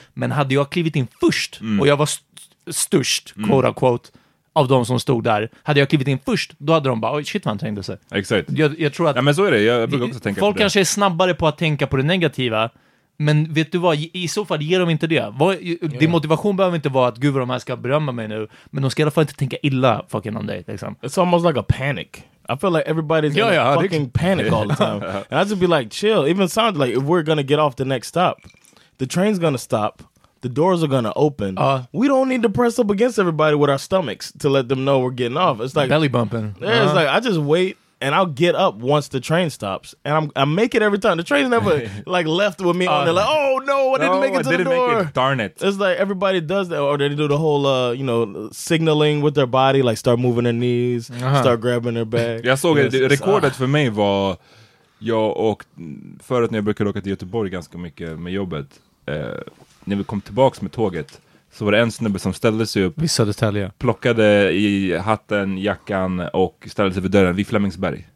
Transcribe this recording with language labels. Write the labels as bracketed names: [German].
[Swedish] Men hade jag klivit in först och jag var störst, [English] quote unquote, [Swedish] av de som stod där, hade jag klivit in först, då hade de bara, oj shit vad han trängde sig. Exakt. Jag tror att, ja men så är det, jag brukar också tänka folk kanske är snabbare på att tänka på det negativa. Men vet du vad, i så fall ger de inte det. Din motivation behöver inte vara att gud vad de här ska berömma mig nu. Men de ska i alla fall inte tänka illa fucking om dig liksom. [English] It's almost like a panic. I feel like everybody's fucking panic all the time. And I just be like, chill. Even sounds like if we're going to get off the next stop, the train's going to stop, the doors are going to open. We don't need to press up against everybody with our stomachs to let them know we're getting off. It's like belly bumping. Yeah, it's like I just wait and I'll get up once the train stops. And I make it every time. The train's never like left with me. And they're like, oh no, I didn't make it to the door. Darn it. It's like everybody does that. Or they do the whole, you know, signaling with their body. Like start moving their knees. Uh-huh. Start grabbing their bag. [Swedish] Jag såg att rekordet för mig var, jag åkte, förut när jag brukade åka till Göteborg ganska mycket med jobbet. När vi kom tillbaka med tåget så var det en snubbe som ställde sig upp. Vi sa detaljer. Plockade i hatten, jackan och ställde sig vid dörren vid Flemingsberg.